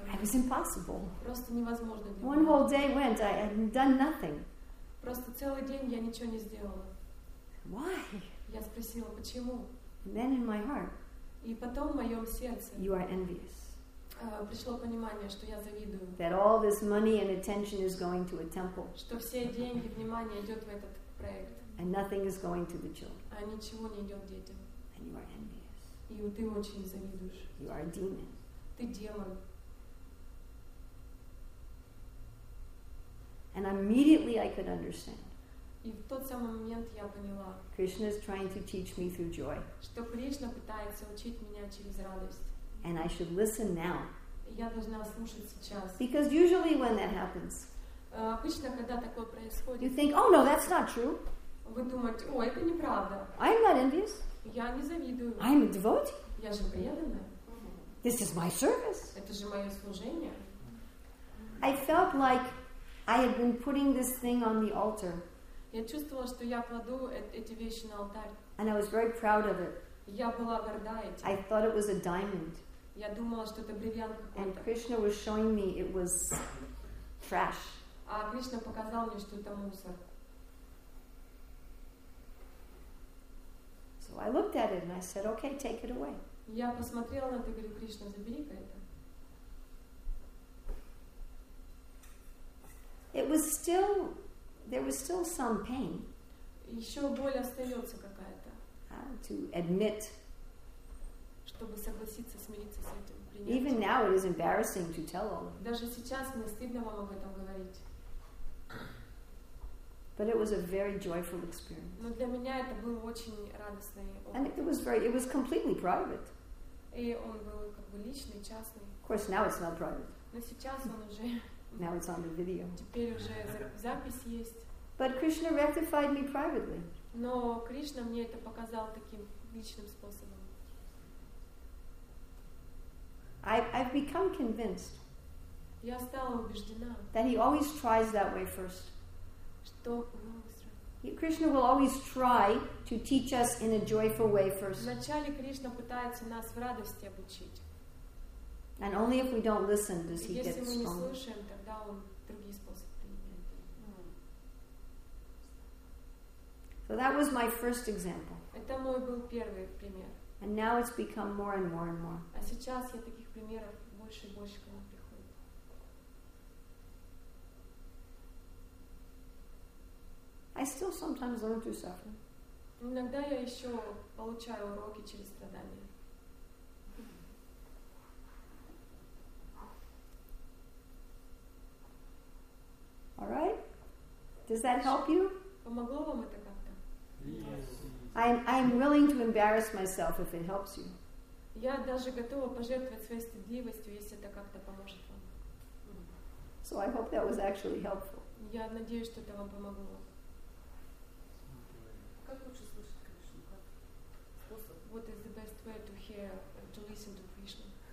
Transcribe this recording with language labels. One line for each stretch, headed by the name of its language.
English: It was impossible.
Russian: Просто невозможно.
English: One whole day went. I had done nothing.
Russian: Просто целый день я ничего не сделала.
English: Why?
Russian: Я спросила, почему?
English: And then in my heart.
Russian: И потом в моем сердце.
English: You are envious.
Russian: Пришло понимание, что я завидую.
English: That all this money and attention is going to a temple.
Russian: Что все деньги, внимание идет в этот проект.
English: And nothing is going to the children.
Russian: А ничего не идет детям.
English: And you are envious.
Russian: И ты очень завидуешь.
English: You are a demon.
Russian: Ты демон.
English: And immediately I could understand.
Russian: И в тот самый момент я поняла.
English: Krishna is trying to teach me through joy.
Russian: Что Кришна пытается учить меня через радость.
English: And I should listen now.
Russian: Я должна слушать сейчас.
English: Because usually when that happens.
Russian: Обычно когда такое происходит.
English: You think, oh no, that's not true.
Russian: Вы думаете, о, это неправда.
English: I'm not envious.
Russian: Я не завидую.
English: I'm a devotee.
Russian: Я же преданная.
English: This is my service.
Russian: Это же мое служение.
English: I felt like I had been putting this thing on the altar.
Russian: Я чувствовала, что я кладу эти вещи на алтарь.
English: And I was very proud of it.
Russian: Я была горда этим.
English: I thought it was a diamond.
Russian: Я думала, что это бриллиант какой-то.
English: And Krishna was showing me it was trash.
Russian: А Кришна показал мне, что это мусор.
English: So I looked at it and I said, "Okay, take it away."
Russian: Я посмотрела на это и говорю, Кришна, забери-ка это.
English: It was still, there was still some pain.
Russian: Еще боль остается какая-то.
English: To admit.
Russian: Чтобы согласиться, смириться с этим. Принять.
English: Even now it is embarrassing to tell all.
Russian: Даже сейчас мне стыдно вам об этом говорить.
English: But it was a very joyful experience.
Russian: Но для меня это был очень радостный опыт.
English: And it was very, it was completely private.
Russian: И он был как бы личный, частный.
English: Of course, now it's not private.
Russian: Но сейчас он уже.
English: Now it's on the video.
Russian: Теперь уже запись есть.
English: But Krishna rectified me privately.
Russian: Но Кришна мне это показал таким личным способом.
English: I've become convinced.
Russian: Я стала убеждена.
English: That he always tries that way first.
Russian: Что?
English: Krishna will always try to teach us in a joyful way first.
Russian: Вначале Кришна пытается нас в радости обучить.
English: And only if we don't listen does he get strong.
Russian: Если мы не слушаем, тогда он другие способы применяет.
English: So that was my first example.
Russian: Это мой был первый пример.
English: And now it's become more and more and more.
Russian: А сейчас я таких примеров больше и больше к нам приходит.
English: I still sometimes learn through suffering.
Russian: Иногда я еще получаю уроки через страдания.
English: All right. Does that help you?
Russian: Помогло вам это как-то?
English: Yes. I'm willing to embarrass myself if it helps you.
Russian: Я даже готова пожертвовать своей стыдливостью, если это как-то поможет вам.
English: So I hope that was actually helpful.
Russian: Я надеюсь, что это вам помогло. Как лучше слышать Кришну?
English: What is the best way to hear to listen to Krishna?